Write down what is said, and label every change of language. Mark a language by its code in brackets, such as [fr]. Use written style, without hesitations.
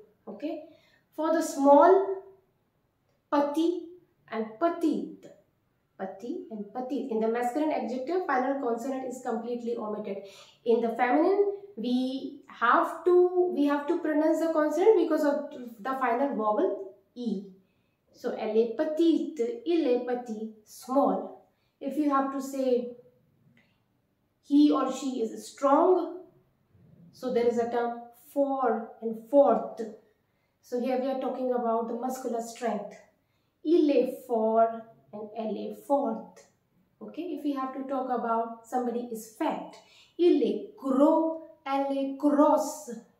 [en] Okay, for the small, petit and petite. Pati and pati. In the masculine adjective, final consonant is completely omitted. In the feminine, we have to pronounce the consonant because of the final vowel E. So, [fr] elle est petite, il est petit, [en] small. If you have to say he or she is strong, so there is a term for and fort. So, here we are talking about the muscular strength. [fr] Il est fort. [en] And [fr] elle est forte. [en] Okay, if we have to talk about somebody is fat, [fr] il est gros, elle est grosse.